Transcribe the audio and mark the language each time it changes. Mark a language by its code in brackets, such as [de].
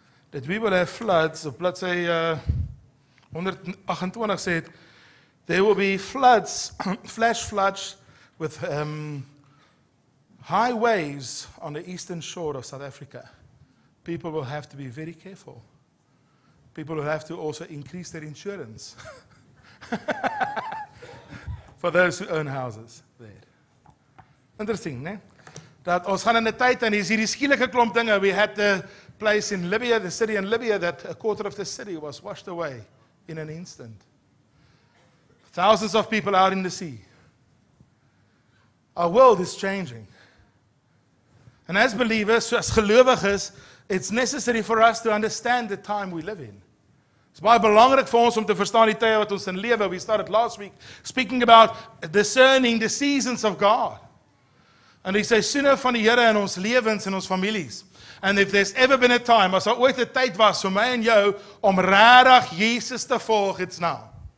[en] That we will have floods, of bladsy 128 said, there will be floods, flash floods, with high waves on the eastern shore of South Africa. People will have to be very careful. People will have to also increase their insurance for those who own houses there. Interesting, né? [af] Dat ons gaan in 'n tyd en is hierdie skielike klomp dinge. [en] We had the place in Libya, the city in Libya, that a quarter of the city was washed away in an instant. Thousands of people out in the sea. Our world is changing. And as believers, as gelowiges, it's necessary for us to understand the time we live in. [af] It's baie belangrik vir ons om te verstaan die tye wat ons in lewe. [en] We started last week speaking about discerning the seasons of God. [af] And die seisoene van die Here in ons lewens en ons families. And if there's ever been a time, as daar ooit 'n tyd was vir my en jou om regtig Jesus te volg, it's now.